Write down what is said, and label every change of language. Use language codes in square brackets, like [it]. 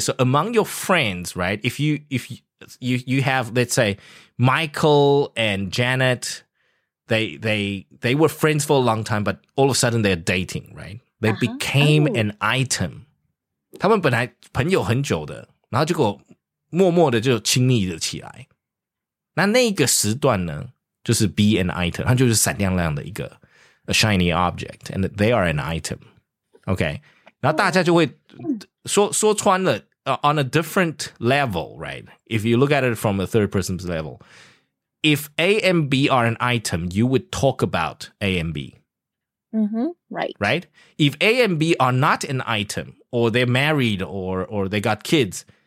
[en] So among your friends, right? If you have, let's say, Michael and Janet, they were friends for a long time, but all of a sudden they're dating, right? They became an item. [zh] 他们本来朋友很久的。然后结果默默的就亲密了起来。那那个时段呢，就是 be an item， 它就是闪亮亮的一个 [en] a shiny object， and they are an item， okay？ [zh] 然后大家就会说穿了 [en] on a different level， right？ If you look at it from a third person's level， if A and B are an item， you would talk about A and B， right？ Right？ If A and B are not an item， or they're married， or they got kids。